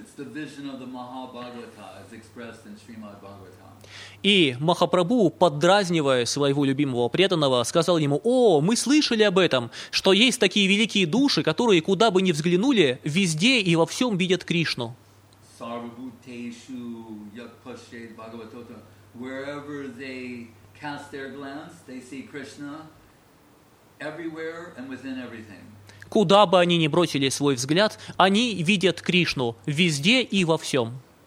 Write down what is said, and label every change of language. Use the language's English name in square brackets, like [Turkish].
[English] It's the vision of the Mahabhagavata, as expressed in Srimad Bhagavatam. [Russian] И Махапрабху, поддразнивая своего любимого преданного, сказал ему: «О, мы слышали об этом, что есть такие великие души, которые, куда бы ни взглянули, везде и во всем видят Кришну». [Sanskrit] Sarvabhuteshu yakpashyet bhagavatota. [English] Wherever they cast their glance, they see Krishna everywhere and within everything. [Russian] Куда бы они ни бросили свой взгляд, они видят Кришну везде и во всем.